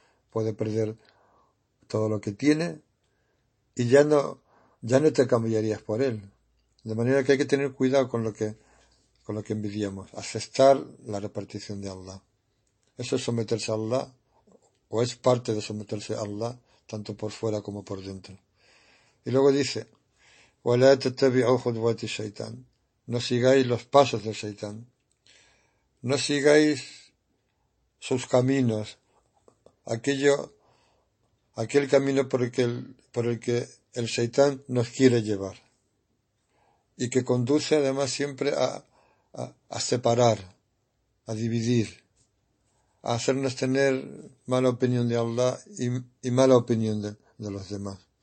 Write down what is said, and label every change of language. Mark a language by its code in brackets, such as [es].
[es] Puede perder todo lo que tiene y ya no te cambiarías por él. De manera que hay que tener cuidado con lo que envidiamos. Aceptar la repartición de Allah. Eso es someterse a Allah, o es parte de someterse a Allah, tanto por fuera como por dentro. Y luego dice, [ar] وَلَا تَتَّبِعُوا خُطُوَاتِ الشَّيْطَانِ. [es] No sigáis los pasos del Shaitán. No sigáis sus caminos. Aquel camino por el que el Shaitán nos quiere llevar. Y que conduce además siempre a separar, a dividir, a hacernos tener mala opinión de Allah y mala opinión de los demás.